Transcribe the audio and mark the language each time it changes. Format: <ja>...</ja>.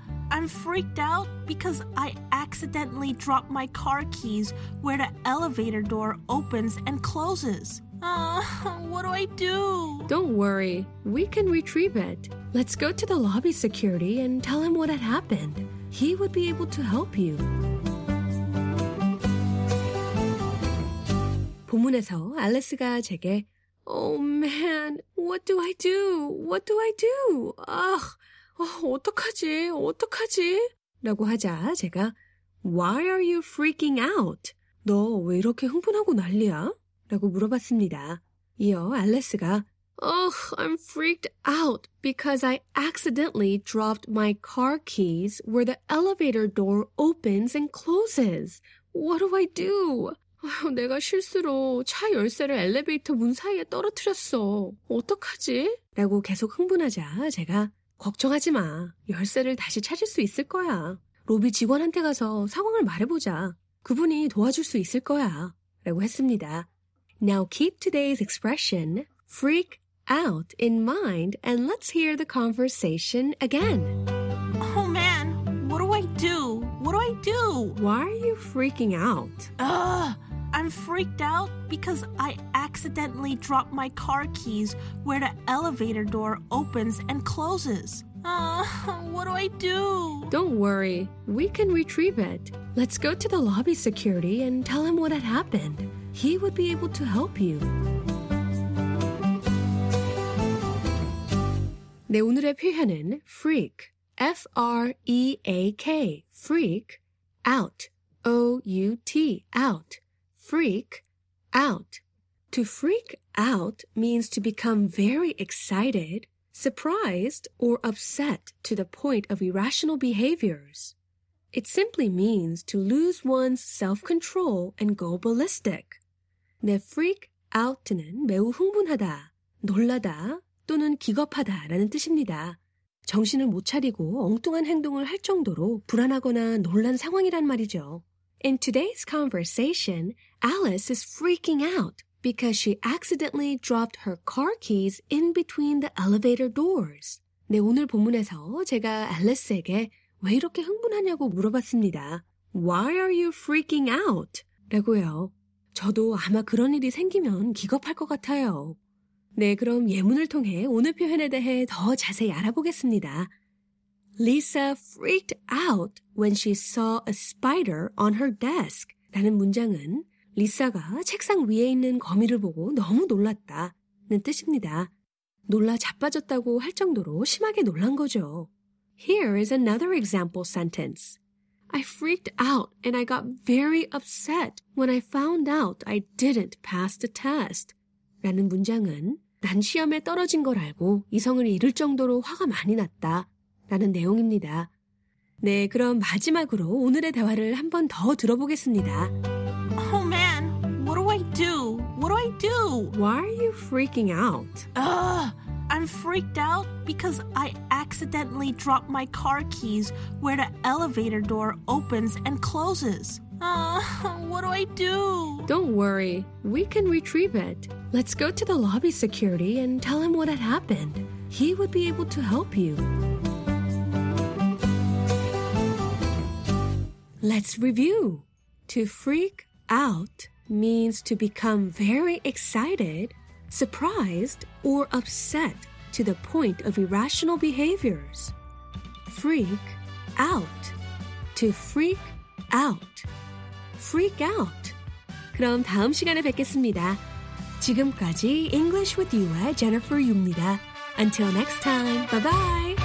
<en>I'm freaked out because I accidentally dropped my car keys where the elevator door opens and closes. What do I do? Don't worry, we can retrieve it. Let's go to the lobby security and tell him what had happened. He would be able to help you.</en> <ko>본문에서 알리스가 제게</ko> <en>Oh man, what do I do? What do I do?</en> <ko>어떡하지? 어떡하지? 라고 하자 제가</ko> <en>Why are you freaking out?</en> <ko>너 왜 이렇게 흥분하고 난리야? 라고 물어봤습니다. 이어 알리스가</ko> <en>Ugh, I'm freaked out because I accidentally dropped my car keys where the elevator door opens and closes. What do I do?</en> <ko>내가 실수로 차 열쇠를 엘리베이터 문 사이에 떨어뜨렸어. 어떡하지? 라고 계속 흥분하자 제가 걱정하지 마. 열쇠를 다시 찾을 수 있을 거야. 로비 직원한테 가서 상황을 말해보자. 그분이 도와줄 수 있을 거야. 라고 했습니다.</ko> <en>Now keep today's expression. Freak out in mind, and let's hear the conversation again. Oh man, what do I do? What do I do? Why are you freaking out? I'm freaked out because I accidentally dropped my car keys where the elevator door opens and closes. What do I do? Don't worry, we can retrieve it. Let's go to the lobby security and tell him what had happened. He would be able to help you.</en> <ko>네, 오늘의 표현은 freak, F-R-E-A-K, freak, out, O-U-T, out, freak, out.</ko> <en>To freak out means to become very excited, surprised, or upset to the point of irrational behaviors. It simply means to lose one's self-control and go ballistic.</en> <ko>네, freak out는 매우 흥분하다, 놀라다, 또는 기겁하다라는 뜻입니다. 정신을 못 차리고 엉뚱한 행동을 할 정도로 불안하거나 놀란 상황이란 말이죠.</ko> <en>In today's conversation, Alice is freaking out because she accidentally dropped her car keys in between the elevator doors.</en> <ko>네, 오늘 본문에서 제가 알리스에게 왜 이렇게 흥분하냐고 물어봤습니다.</ko> <en>Why are you freaking out?</en> <ko>라고요. 저도 아마 그런 일이 생기면 기겁할 것 같아요. 네, 그럼 예문을 통해 오늘 표현에 대해 더 자세히 알아보겠습니다.</ko> <en>Lisa freaked out when she saw a spider on her desk.</en> <ko>라는 문장은 리사가 책상 위에 있는 거미를 보고 너무 놀랐다는 뜻입니다. 놀라 자빠졌다고 할 정도로 심하게 놀란 거죠.</ko> <en>Here is another example sentence. I freaked out and I got very upset when I found out I didn't pass the test.</en> <ko>라는 문장은 난 시험에 떨어진 걸 알고 이성을 잃을 정도로 화가 많이 났다 라는 내용입니다. 네, 그럼 마지막으로 오늘의 대화를 한 번 더 들어보겠습니다. Oh man, what do I do? What do I do? Why are you freaking out? I'm freaked out because I accidentally dropped my car keys where the elevator door opens and closes. What do I do? Don't worry, we can retrieve it. Let's go to the lobby security and tell him what had happened. He would be able to help you.</ko> <en>Let's review. To freak out means to become very excited, surprised, or upset to the point of irrational behaviors. Freak out. To freak out. Freak out.</en> <ko>그럼 다음 시간에 뵙겠습니다. 지금까지</ko> <en>English with You의 Jennifer Yu입니다. Until next time, bye-bye!</en>